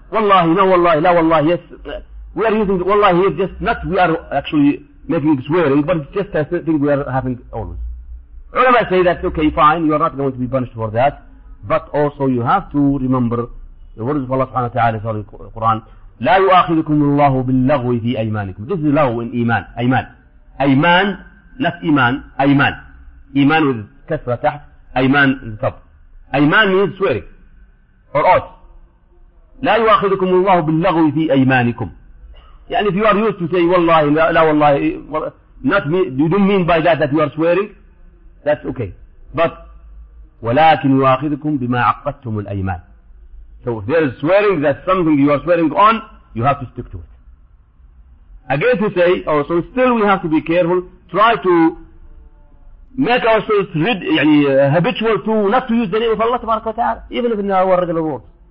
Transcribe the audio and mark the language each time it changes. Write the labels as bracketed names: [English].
[English] Wallahi, no wallahi, la wallahi, yes. We are using wallahi here just not we are actually making swearing, but it's just a thing we are having always. Ulama say that, okay, fine, you are not going to be punished for that, but also you have to remember the words of Allah subhanahu wa ta'ala in the Quran, [Arabic] لا يؤاخذكم الله باللغو في أيمانكم. [English] This is لغو in إيمان, أيمان. [Arabic] أيمان, not إيمان, أيمان. [English] إيمان with [Arabic] كسرة تحت, [English] أيمان in the top. أيمان means swearing, or oath. [Arabic] لا يؤاخذكم الله باللغو في أيمانكم. [English] And if you are used to say, wallahi, la wallahi, not me, you don't mean by that you are swearing, that's okay. [Arabic] But, ولكن يؤاخذكم بما عقدتم الأيمان. [English] So if there is swearing, that's something you are swearing on, you have to stick to it. Again to say, also still we have to be careful, try to make ourselves habitual to not to use the name of Allah subhanahu wa ta'ala, even if in our regular words.